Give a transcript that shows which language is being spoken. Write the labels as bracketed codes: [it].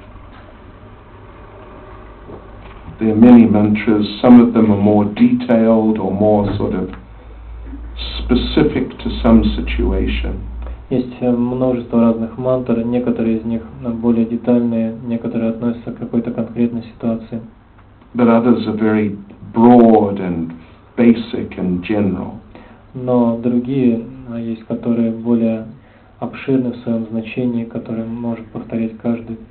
[en] Yeah. There are many mantras. Some of them are more detailed or more sort of specific to some situation. [ru] Есть множество разных мантр, некоторые из них более детальные, некоторые относятся к какой-то конкретной ситуации. [en] But others are very broad and basic and general. [ru] Но другие есть, которые более обширны в своем значении, которые может повторять каждый.